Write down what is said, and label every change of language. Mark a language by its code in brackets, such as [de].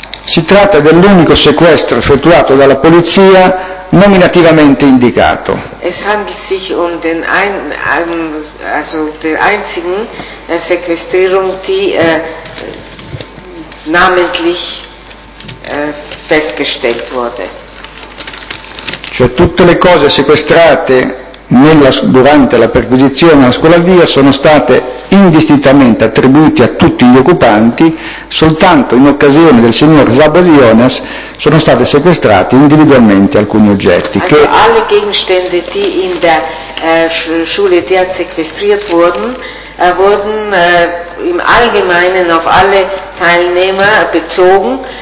[it] Si tratta dell'unico sequestro effettuato dalla polizia nominativamente indicato. [de] Es handelt sich um den einzigen Sequestrierung, die namentlich festgestellt wurde. [it] Cioè tutte le cose sequestrate durante la perquisizione alla scuola Diaz sono state indistintamente attribuite a tutti gli occupanti, soltanto in occasione del signor Zabalionas sono state sequestrate individualmente alcuni oggetti. [de] Also alle Gegenstände, die in der Schule Diaz sequestriert wurden, wurden im Allgemeinen auf alle Teilnehmer bezogen.